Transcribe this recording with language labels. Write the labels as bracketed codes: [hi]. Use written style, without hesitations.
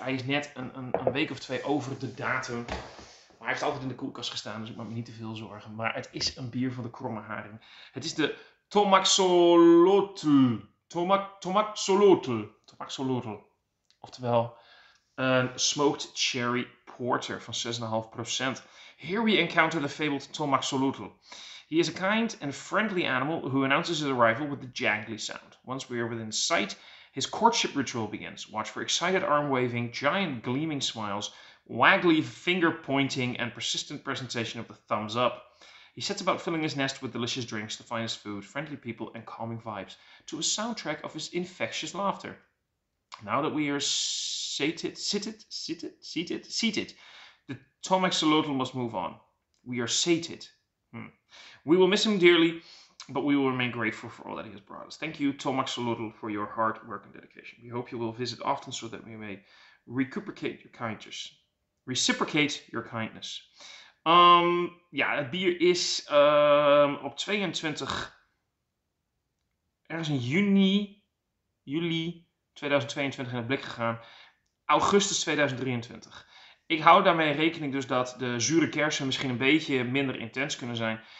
[nl] Hij is net een week of twee over de datum. Maar hij heeft altijd in de koelkast gestaan, dus ik maak me niet te veel zorgen. Maar het is een bier van de Kromme Haring. Het is de Tomaxolotl. Tomaxolotl. Tomaxolotl. Oftewel, een smoked cherry porter van 6,5%. [en] Here we encounter the fabled Tomaxolotl. He is a kind and friendly animal who announces his arrival with the jangly sound. Once we are within sight, his courtship ritual begins. Watch for excited arm waving, giant gleaming smiles, waggly finger pointing, and persistent presentation of the thumbs up. He sets about filling his nest with delicious drinks, the finest food, friendly people, and calming vibes to a soundtrack of his infectious laughter. Now that we are seated, the Tomaxolotl must move on. We are sated. We will miss him dearly, but we will remain grateful for all that he has brought us. Thank you, Tomaxolotl, for your hard work and dedication. We hope you will visit often so that we may reciprocate your kindness. [nl] Ja, het bier is op 22, ergens in juli 2022 in het blik gegaan. Augustus 2023. Ik hou daarmee rekening dus dat de zure kersen misschien een beetje minder intens kunnen zijn.